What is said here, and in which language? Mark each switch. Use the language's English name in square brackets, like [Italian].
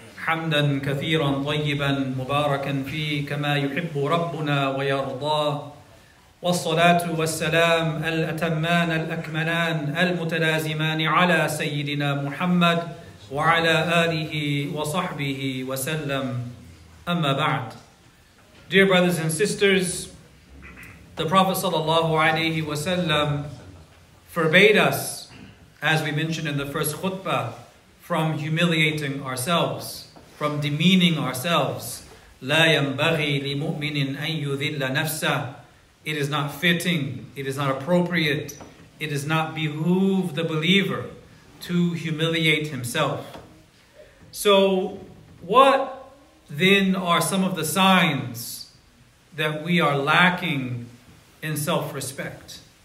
[Arabic] حمدا كثيرا طيبا مباركا فيه كما يحب ربنا ويرضاه والصلاة والسلام الأتمان الأكملان المتلازمان على سيدنا محمد وعلى آله وصحبه وسلم أما بعد. [English] Dear brothers and sisters, the Prophet sallallahu alayhi wa sallam forbade us, as we mentioned in the first khutbah, from humiliating ourselves, from demeaning ourselves. [Arabic] لا ينبغي لمؤمن أن يذل نفسه. [English] It is not fitting, it is not appropriate, it does not behoove the believer to humiliate himself. So what then are some of the signs that we are lacking in self-respect?